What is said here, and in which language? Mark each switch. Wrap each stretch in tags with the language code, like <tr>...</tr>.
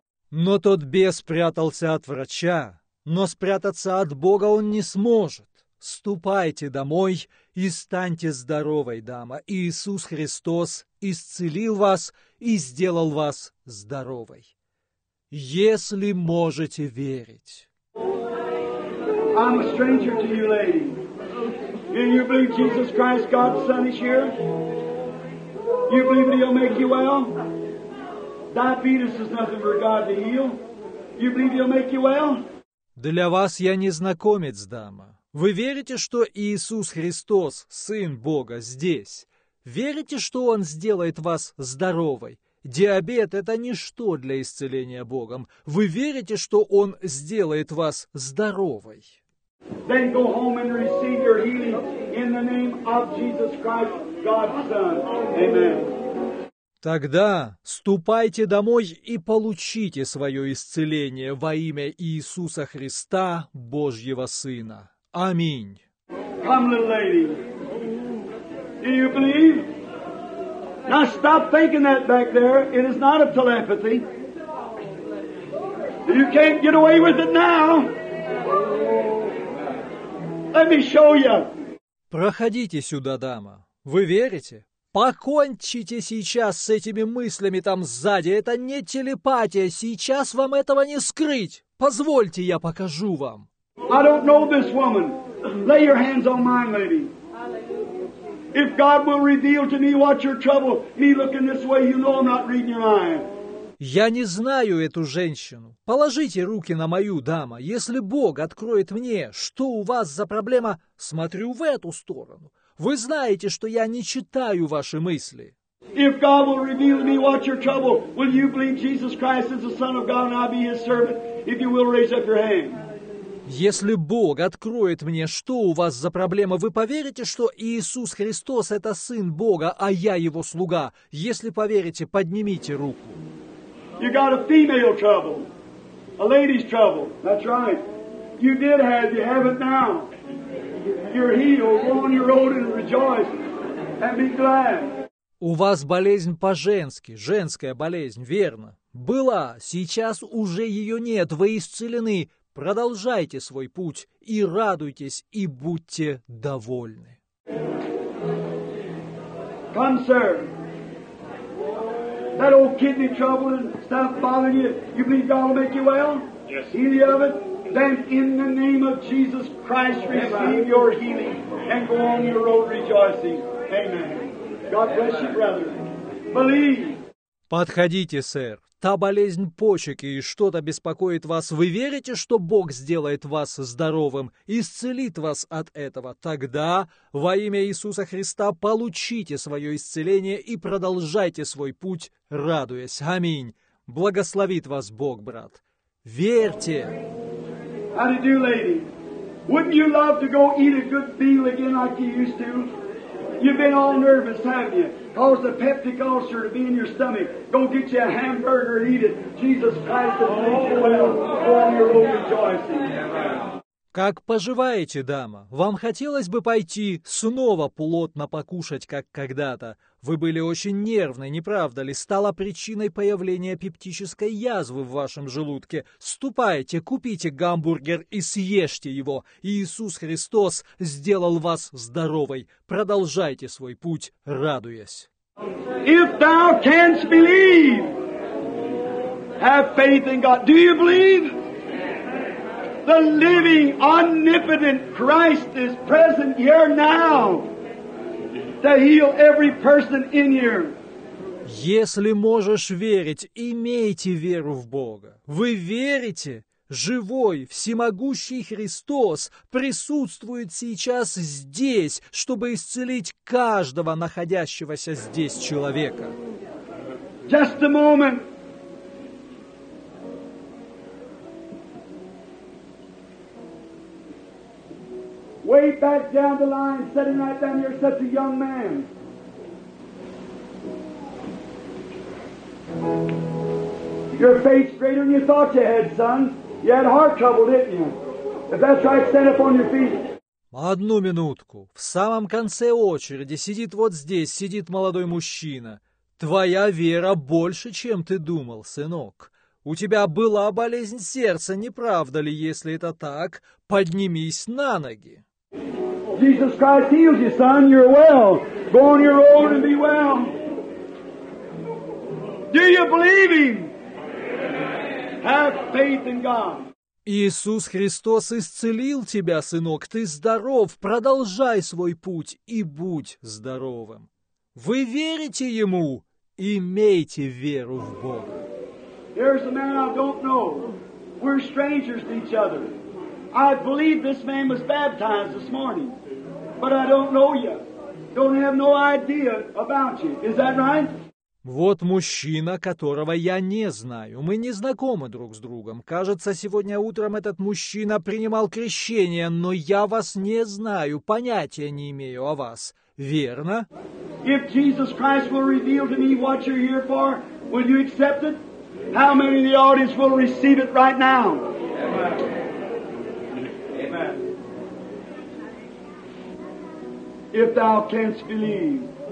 <ru>Но тот бес спрятался от врача, но спрятаться от Бога он не сможет. Ступайте домой и станьте здоровой, дама. Иисус Христос исцелил вас и сделал вас здоровой. Если можете верить.</ru> <en>I'm a stranger to you, lady. And you believe Jesus Christ, God's Son, is here? You believe that he'll make you well? Diabetes is nothing for God to heal. You believe he'll make you well?</en> <ru>Для вас я незнакомец, дама. Вы верите, что Иисус Христос, Сын Бога, здесь? Верите, что Он сделает вас здоровой? Диабет — это ничто для исцеления Богом. Вы верите, что Он сделает вас здоровой?</ru> <en>Then go home and receive your healing in the name of Jesus Christ, God's Son. Amen.</en> <ru>Тогда ступайте домой и получите свое исцеление во имя Иисуса Христа, Божьего Сына. Аминь.</ru> <en>Come, little lady. Do you believe? Now stop thinking that back there. It is not a telepathy. You can't get away with it now. Let me show you.</en> <ru>Проходите сюда, дама. Вы верите? Покончите сейчас с этими мыслями там сзади. Это не телепатия. Сейчас вам этого не скрыть. Позвольте, я покажу вам.</ru> <en>I don't know this woman. Lay your hands on mine, lady. If God will reveal to me what your trouble, me looking this way, you know I'm not reading your mind.</en> <ru>Я не знаю эту женщину. Положите руки на мою, дама. Если Бог откроет мне, что у вас за проблема, смотрю в эту сторону. Вы знаете, что я не читаю ваши мысли.</ru> <en>If God will reveal to me what your trouble, will you believe Jesus Christ is the Son of God and I'll be His servant? If you will raise up your hand.</en> <ru>Если Бог откроет мне, что у вас за проблема, вы поверите, что Иисус Христос – это Сын Бога, а я Его слуга? Если поверите, поднимите руку.</ru> <en>You got a female trouble, a lady's trouble. That's right. You did have, you have it now. You're healed, go on your road and rejoice and be glad.</en> <ru>У вас болезнь по-женски, женская болезнь, верно? Была, сейчас уже ее нет, вы исцелены. Продолжайте свой путь и радуйтесь, и будьте довольны.</ru> <en>Come, sir. That old kidney trouble and stuff bothering you, you believe God will make you well? Yes. Heal you of it? Then in the name of Jesus Christ, receive your healing and go on your road rejoicing. Amen. God bless you, brother. Believe.</en> <ru>Подходите, сэр. Та болезнь почек и что-то беспокоит вас, вы верите, что Бог сделает вас здоровым, исцелит вас от этого? Тогда во имя Иисуса Христа получите свое исцеление и продолжайте свой путь, радуясь. Аминь. Благословит вас Бог, брат. Верьте.</ru> <en>How do you do, lady? Wouldn't you love to go eat a good meal again like you used to? You've been all nervous, haven't you? Cause the peptic ulcer to be in your stomach. Go get you a hamburger and eat it. Jesus Christ will make you well. Go on your own rejoicing.</en> <ru>Как поживаете, дама? Вам хотелось бы пойти снова плотно покушать, как когда-то? Вы были очень нервны, не правда ли? Стало причиной появления пептической язвы в вашем желудке. Ступайте, купите гамбургер и съешьте его. Иисус Христос сделал вас здоровой. Продолжайте свой путь, радуясь.</ru> <en>If thou canst believe, have faith in God. Do you believe? The living, omnipotent Christ is present here now to heal every person in here.</en> <ru>Если можешь верить, имейте веру в Бога. Вы верите? Живой, всемогущий Христос присутствует сейчас здесь, чтобы исцелить каждого находящегося здесь человека.</ru> <en>Just a moment. Way back down the line, sitting right down here, such a young man. Your faith's greater than you thought you had, son. You had heart trouble, didn't you? If that's right, stand up on your feet.</en> <ru>Одну минутку. В самом конце очереди сидит вот здесь, сидит молодой мужчина. Твоя вера больше, чем ты думал, сынок. У тебя была болезнь сердца, не правда ли? Если это так, поднимись на ноги.</ru> <en>Jesus Christ heals you, son. You're well. Go on your own and be well. Do you believe Him? Have faith in God.</en> <ru>Иисус Христос исцелил тебя, сынок. Ты здоров. Продолжай свой путь и будь здоровым. Вы верите Ему? Имейте веру в Бога.</ru> <en>Here's a man I don't know. We're strangers to each other. I believe this man was baptized this morning. But I don't know you. Don't have no idea about you. Is that right?</en> <ru>Вот мужчина, которого я не знаю. Мы не знакомы друг с другом. Кажется, сегодня утром этот мужчина принимал крещение, но я вас не знаю, понятия не имею о вас. Верно?</ru> <en>If Jesus Christ will reveal to me what you're here for, will you accept it? How many of the audience will receive it right now? If thou canst believe.</en>